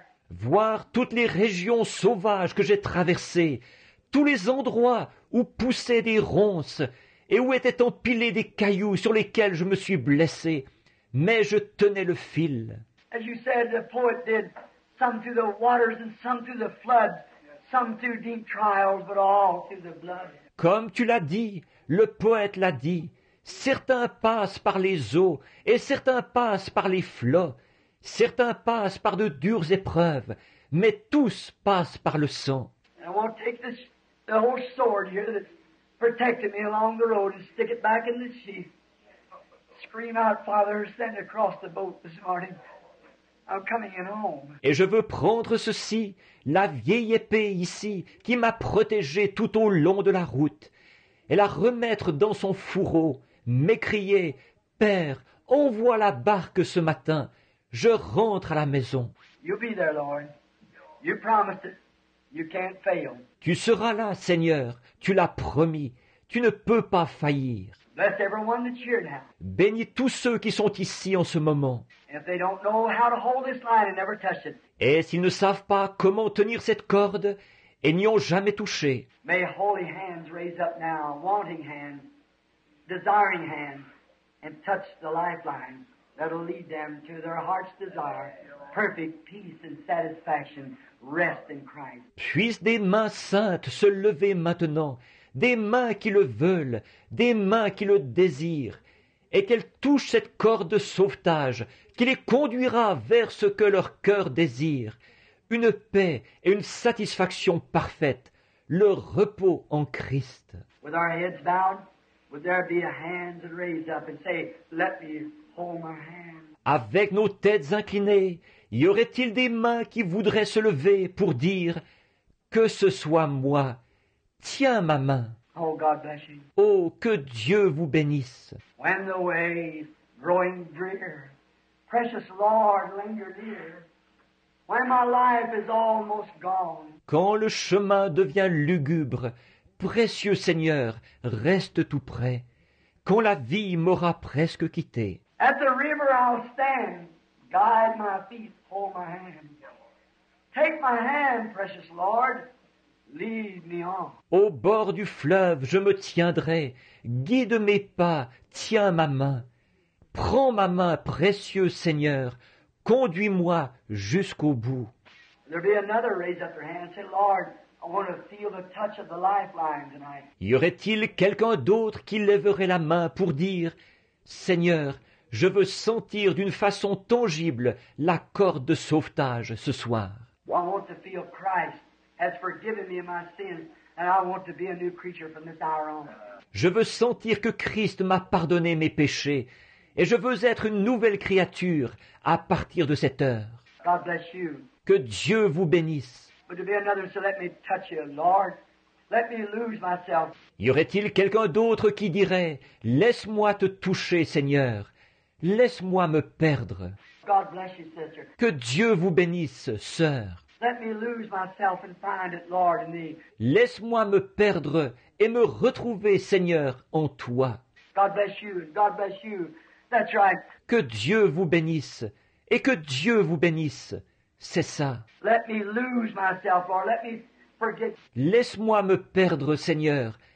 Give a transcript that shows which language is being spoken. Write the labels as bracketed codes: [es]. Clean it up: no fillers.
[fr] Voir toutes les régions sauvages que j'ai traversées, tous les endroits où poussaient des ronces et où étaient empilés des cailloux sur lesquels je me suis blessé, mais je tenais le fil. [en] As you said, the poet did. Some through the waters and some through the floods, some through deep trials, but all through the blood. [fr] Comme tu l'as dit, le poète l'a dit, certains passent par les eaux et certains passent par les flots, Certains passent par de dures épreuves, mais tous passent par le sang. [en] I want to take this, the whole sword here that's protected me along the road and stick it back in the sheath. Scream out, Father, send across the boat this morning. I'm coming in home. [fr] Et je veux prendre ceci, la vieille épée ici, qui m'a protégé tout au long de la route, et la remettre dans son fourreau, m'écrier, Père, envoie la barque ce matin. Je rentre à la maison. [en] You'll be there, Lord. You promised it. You can't fail. [fr] Tu seras là, Seigneur. Tu l'as promis. Tu ne peux pas faillir. [en] Bless everyone that's here now. [fr] Bénis tous ceux qui sont ici en ce moment. [en] If they don't know how to hold this line and never touch it. [fr] Et s'ils ne savent pas comment tenir cette corde et n'y ont jamais touché. [en] May holy hands raise up now, wanting hands, desiring hands, and touch the lifeline that'll lead them to their heart's desire, perfect peace and satisfaction, rest in Christ. [fr] Puissent des mains saintes se lever maintenant, des mains qui le veulent, des mains qui le désirent, et qu'elles touchent cette corde de sauvetage qui les conduira vers ce que leur cœur désire, une paix et une satisfaction parfaite, le repos en Christ. [en] With our heads bowed, would there be a hand raised up and say, let me hold my hand? [fr] Avec nos têtes inclinées, y aurait-il des mains qui voudraient se lever pour dire, que ce soit moi, tiens ma main. [en] Oh, God bless you. [fr] Oh, que Dieu vous bénisse. [en] When the way growing drear, precious Lord, linger near, when my life is almost gone. [fr] Quand le chemin devient lugubre, précieux Seigneur, reste tout près, quand la vie m'aura presque quitté. [en] At the river I'll stand, guide my feet, hold my hand. Take my hand, precious Lord, lead me on. [fr] Au bord du fleuve, je me tiendrai, guide mes pas, tiens ma main. Prends ma main, précieux Seigneur, conduis-moi jusqu'au bout. [en] There'll be another raise up your hand, say, Lord, I want to feel the touch of the lifeline tonight. [fr] Y aurait-il quelqu'un d'autre qui lèverait la main pour dire, Seigneur, je veux sentir d'une façon tangible la corde de sauvetage ce soir. [en] Well, I want to feel Christ has forgiven me of my sins, and I want to be a new creature from this hour on. [fr] Je veux sentir que Christ m'a pardonné mes péchés, et je veux être une nouvelle créature à partir de cette heure. [en] God bless you. [fr] Que Dieu vous bénisse. [en] Would there be another so let me touch you, Lord? Let me lose myself. [fr] Y aurait-il quelqu'un d'autre qui dirait, laisse-moi te toucher, Seigneur. Laisse-moi me perdre. [en] God bless you, sister. [fr] Que Dieu vous bénisse, sœur. [en] Let me lose myself and find it, Lord, in thee. [fr] Laisse-moi me perdre et me retrouver, Seigneur, en toi. [en] God bless you. God bless you. That's right. [fr] Que Dieu vous bénisse et que Dieu vous bénisse. C'est ça. [en] Let me lose myself, Lord. Let me forget. [fr] Laisse-moi me perdre, Seigneur.